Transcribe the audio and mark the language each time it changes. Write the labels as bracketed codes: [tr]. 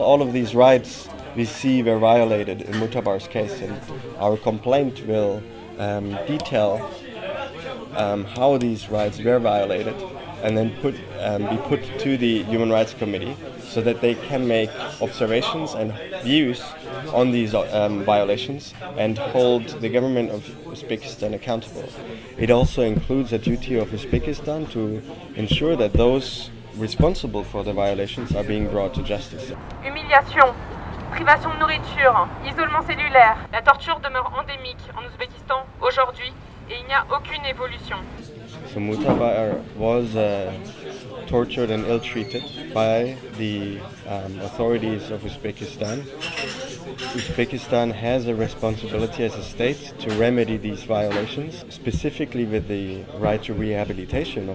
[en] All of these rights we see were violated in Mutabar's case, and our complaint will detail how these rights were violated and then be put to the Human Rights Committee so that they can make observations and views on these violations and hold the government of Uzbekistan accountable. It also includes a duty of Uzbekistan to ensure that those responsible for the violations are being brought to justice. [fr] Humiliation, privation de nourriture, isolement cellulaire, la torture demeure endémique en Uzbekistan aujourd'hui et il n'y a aucune évolution. [en] So Mutabar was tortured and ill-treated by the authorities of Uzbekistan. Uzbekistan has a responsibility as a state to remedy these violations, specifically with the right to rehabilitation.